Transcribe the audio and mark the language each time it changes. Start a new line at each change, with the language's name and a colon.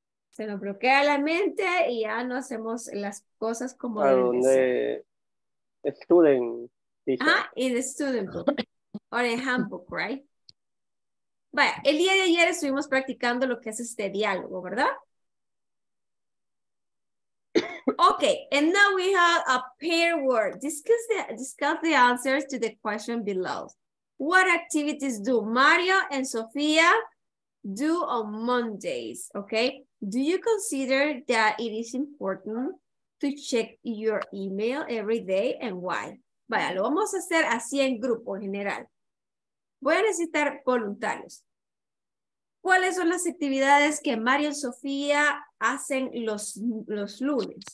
Spanish: Se nos bloquea la mente y ya no hacemos las cosas como deben. ¿Dónde? Student.
English: Teacher. Ah, in the student book. Or in handbook, right?
Spanish: Vaya, el día de ayer estuvimos practicando lo que es este diálogo, ¿verdad?
English: Ok, and now we have a pair word. Discuss the answers to the question below. What activities do Mario and Sofia do on Mondays? Okay. Do you consider that it is important to check your email every day and why?
Spanish: Vaya, lo vamos a hacer así en grupo en general. Voy a necesitar voluntarios. ¿Cuáles son las actividades que Mario y Sofía hacen los lunes?